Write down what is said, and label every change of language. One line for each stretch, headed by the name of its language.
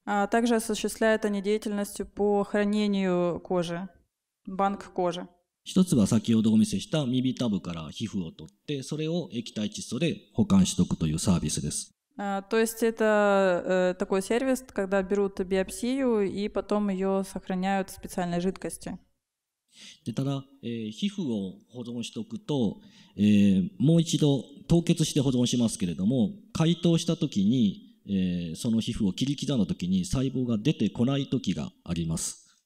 Russian: Также осуществляют они деятельность по хранению кожи, банк кожи.
Japanese: 一つは先ほどお見せした耳たぶから皮膚を取って、それを液体窒素で保管しておくというサービスです。
Russian: То есть это такой сервис, когда берут биопсию и потом ее сохраняют в специальной жидкости.
Japanese: で、ただ、皮膚を保存しておくと、もう一度凍結して保存しますけれども、解凍したときに、その皮膚を切り刻んだときに細胞が出てこないときがあります。